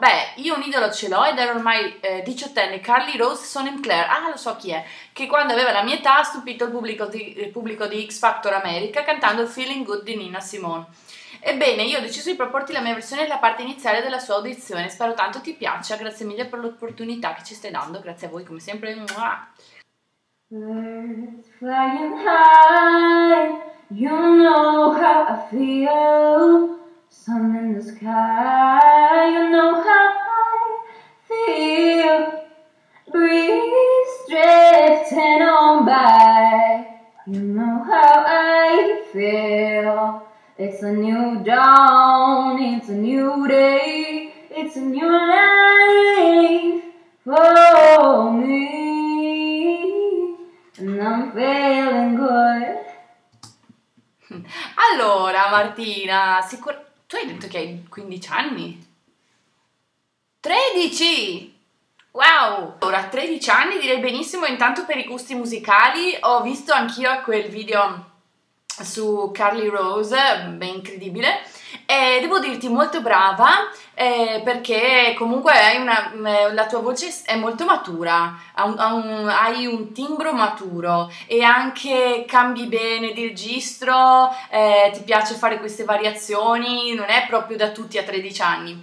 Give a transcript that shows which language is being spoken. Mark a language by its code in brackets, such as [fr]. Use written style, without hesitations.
[it] Beh, io un idolo ce l'ho ed ero ormai 18enne, Carly Rose Sonnenklare. Ah, lo so chi è. Che quando aveva la mia età ha stupito il pubblico di X Factor America cantando Feeling Good di Nina Simone. Ebbene, io ho deciso di proporti la mia versione della parte iniziale della sua audizione. Spero tanto ti piaccia. Grazie mille per l'opportunità che ci stai dando. Grazie a voi, come sempre. [en] Birds flying high, you know how I feel. Sun in the sky, you know how I feel. Breeze drifting on by, you know how I feel. It's a new dawn, it's a new day, it's a new life for me, and I'm feeling good. [it] Allora, Martina, tu hai detto che hai 15 anni? 13! Wow! Allora, 13 anni direi benissimo, intanto per i gusti musicali, ho visto anch'io quel video su Carly Rose, beh, incredibile, e devo dirti molto brava, perché comunque hai la tua voce è molto matura, hai un timbro maturo e anche cambi bene di registro, ti piace fare queste variazioni, non è proprio da tutti a 13 anni.